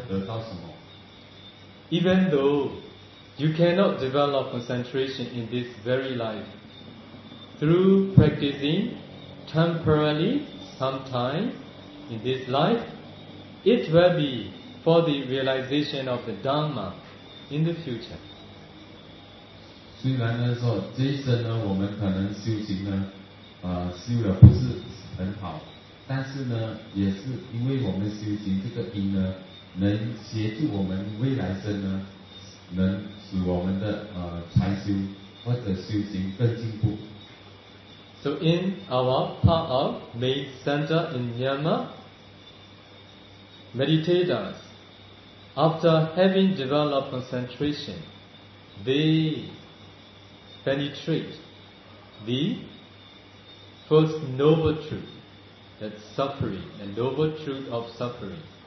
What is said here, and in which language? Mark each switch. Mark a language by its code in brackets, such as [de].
[zh] 所以呢，三藏说呢，如果我们要真正的了解佛法，就是要尽量的修行，但也不需要说，一万万要得到什么。 [en] Even though you cannot develop concentration in this very life, through practicing temporarily sometime in this life, it will be for the realization of the Dharma in the future. [zh] 虽然呢说这一生呢我们可能修行呢修的不是很好，但是呢也是因为我们修行这个因呢能协助我们未来生呢能使我们的禅修或者修行更进步。 [en] So in our part of main center in Myanmar, meditators, after having developed concentration, they penetrate the first noble truth, that suffering, the noble truth of suffering.